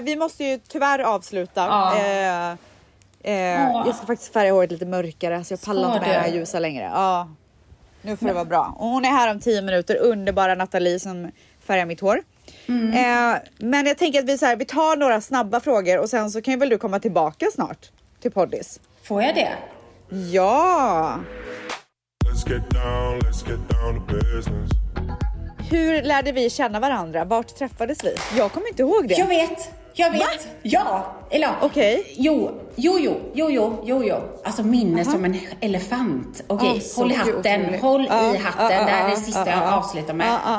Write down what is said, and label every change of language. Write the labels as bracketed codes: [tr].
[sv] Vi måste ju tyvärr avsluta. Jag ska faktiskt färga håret lite mörkare, så jag pallar inte med det här ljusa längre. Ja. Nu får det vara bra. Och hon är här om 10 minuter, underbara Nathalie som färgar mitt hår. Men jag tänker att vi tar några snabba frågor och sen så kan ju väl du komma tillbaka snart till poddis. Får jag det? Ja. [en] Let's get down to business. [sv] Hur lärde vi känna varandra? Vart träffades vi? Jag kommer inte ihåg det. Jag vet. Va? Ja. Eller okej. Jo. Alltså minne som en elefant. Okej. Håll i hatten. Det här är det sista jag avslutar med.